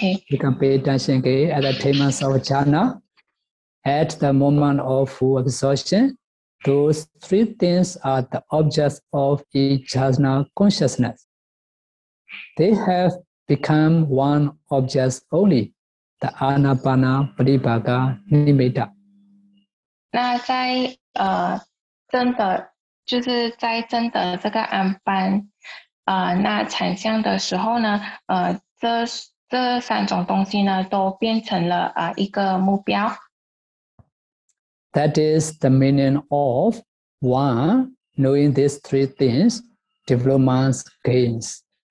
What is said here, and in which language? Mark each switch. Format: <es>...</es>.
<en>You can pay attention, okay? At the attainment of jhana, at the moment of full absorption, those three things are the objects of each jhana consciousness. They have become one object only, the anapana pribhaga nimitta.</en> <zh>那在真的这个安般那禅相的时候呢，这三种东西呢，都变成了一个目标。</zh> <en>That is the meaning of one knowing these three things, development gains.</en>